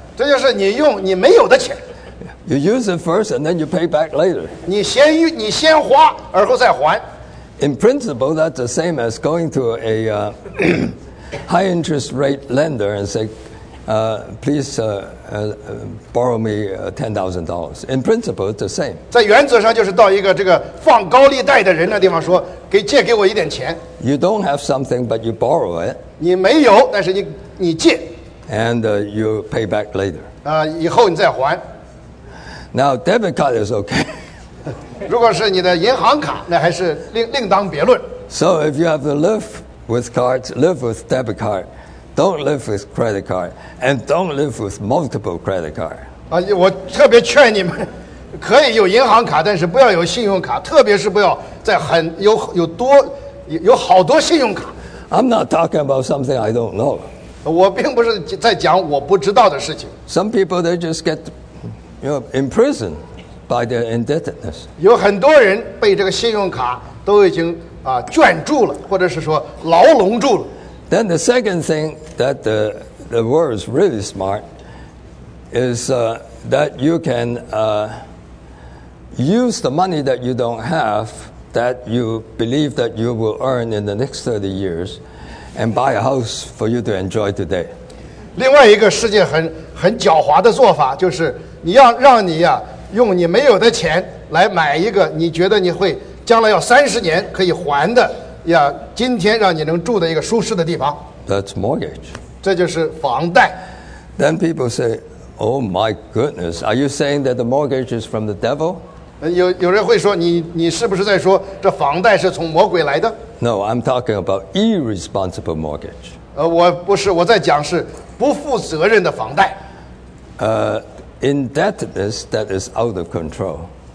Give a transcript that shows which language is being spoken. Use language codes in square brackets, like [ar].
[zh] 这就是你用你没有的钱。 [en] You use it first and then you pay back later. [zh] 你先花而后再还。 [en] In principle, that's the same as going to a high interest rate lender and say, borrow me $10,000. In principle, it's the same. [zh] 在原则上就是到一个这个放高利贷的人的地方说，借给我一点钱。 [en] You don't have something, but you borrow it. [zh] 你没有，但是你借。 [en] And you pay back later. [zh] 以后你再还。 [en] Now debit card is okay. [zh] 如果是你的银行卡，那还是另当别论。 [en] So if you have to live with cards, live with debit card, don't live with credit card, and don't live with multiple credit card. [zh] 我特别劝你们，可以有银行卡，但是不要有信用卡，特别是不要在很有好多信用卡。 [en] I'm not talking about something I don't know. [zh] 我并不是在讲我不知道的事情。 [en] Some people they just get. Imprisoned by their indebtedness. [zh] 有很多人被这个信用卡都已经圈住了，或者是说牢笼住了。 [en] Then the second thing that the world is really smart is that you can use the money that you don't have, that you believe that you will earn in the next 30 years, and buy a house for you to enjoy today. [zh] 另外一个世界很狡猾的做法，就是你要让你呀、啊、用你没有的钱来买一个你觉得你会将来要三十年可以还的呀，今天让你能住的一个舒适的地方。 [en] That's mortgage. [zh] 这就是房贷。 [en] Then people say, "Oh my goodness, are you saying that the mortgage is from the devil?" [zh] 有人会说你是不是在说这房贷是从魔鬼来的 [en] ？No, I'm talking about irresponsible mortgage. [zh] 我不是，我在讲是不负责任的房贷。 [en] Indebtedness that is out of control.